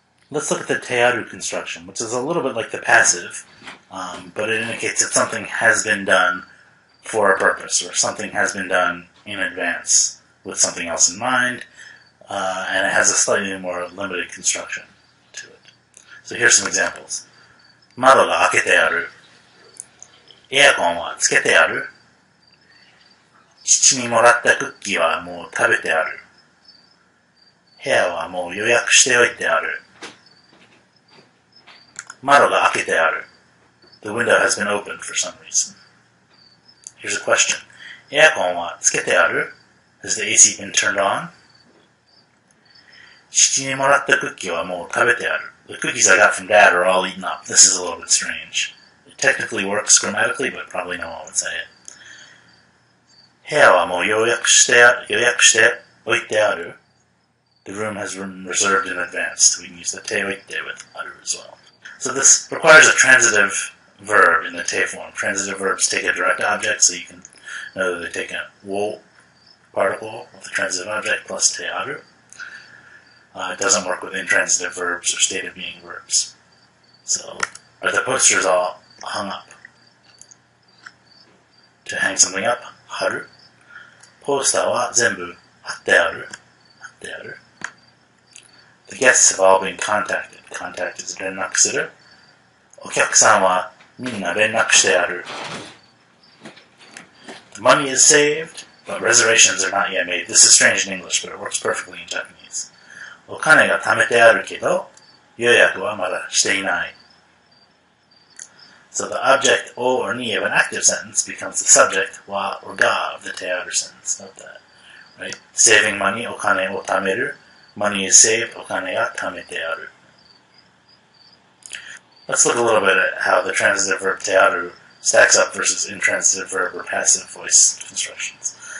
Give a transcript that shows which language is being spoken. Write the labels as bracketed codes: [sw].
[en] Let's look at the teyaru construction, which is a little bit like the passive, but it indicates that something has been done for a purpose, or something has been done in advance with something else in mind, and it has a slightly more limited construction to it. So here's some examples. [ja] 窓が開けてある。エアコンはつけてある。父にもらったクッキーはもう食べてある。部屋はもう予約しておいてある。窓が開けてある。 [en] The window has been opened for some reason. Here's a question. [ja] エアコンはつけてある? [en] Has the AC been turned on? [ja] 父にもらったクッキーはもう食べてある。 [en] The cookies I got from Dad are all eaten up. This is a little bit strange. It technically works grammatically, but probably no one would say it. [ja] 部屋はもう予約しておいてある。 [en] The room has been reserved in advance. We can use the te oite with aru as well. So this requires a transitive verb in the te form. Transitive verbs take a direct object, so you can know that they take a wo particle with a transitive object plus te aru. It doesn't work with intransitive verbs or state of being verbs. So, are the posters all hung up? To hang something up, [ja] haru. Posta wa zenbu hatte aru. Hatte aru. [en] The guests have all been contacted. Contact is rennaku suru. [ja] Okyakusan wa minna rennaku shite aru. [en] The money is saved, but reservations are not yet made. This is strange in English, but it works perfectly in Japanese. [ja] お金が貯めてあるけど、予約はまだしていない。 [en] So the object, o or ni, of an active sentence becomes the subject, wa or ga, of the teyaru sentence. Note that. Right? Saving money, [ja] お金を貯める。 [en] Money is saved, [ja] お金が貯めてある。 [en] Let's look a little bit at how the transitive verb teyaru stacks up versus intransitive verb or passive voice constructions.